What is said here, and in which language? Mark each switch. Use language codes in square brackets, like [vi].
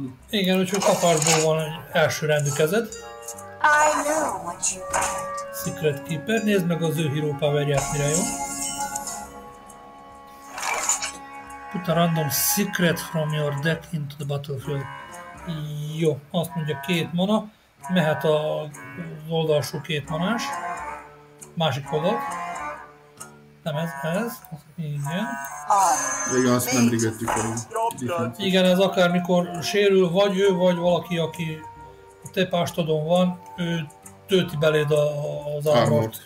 [hu] Igen, úgyhogy kapásból van egy első rendű kezed. [en] I know what you want. [hu] Secret Keeper, nézd meg az ő Hero Power-ját, mire jó. [en] Put a random secret from your deck into the battlefield. [hu] Jó, azt mondja két mana, mehet az oldalsó két manás. Másik oldal. Nem ez, ez. Igen. Igen, azt nem rigettük el. Igen, ez akármikor sérül, vagy ő, vagy valaki, aki a te pástodon van, ő tölti beléd az armort.